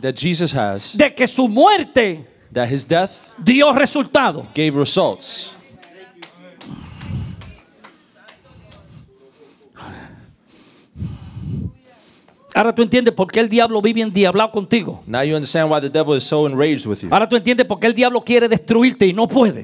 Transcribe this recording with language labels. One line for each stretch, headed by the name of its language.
English: That Jesus has.
Spanish: De que su muerte.
English: That his death.
Spanish: Dio resultado.
English: Gave results. Amen.
Spanish: Ahora tú entiendes por qué el diablo vive endiablado contigo.
English: Now you understand why the devil is so enraged with you.
Spanish: Ahora tú entiendes por qué el diablo quiere destruirte y no puede.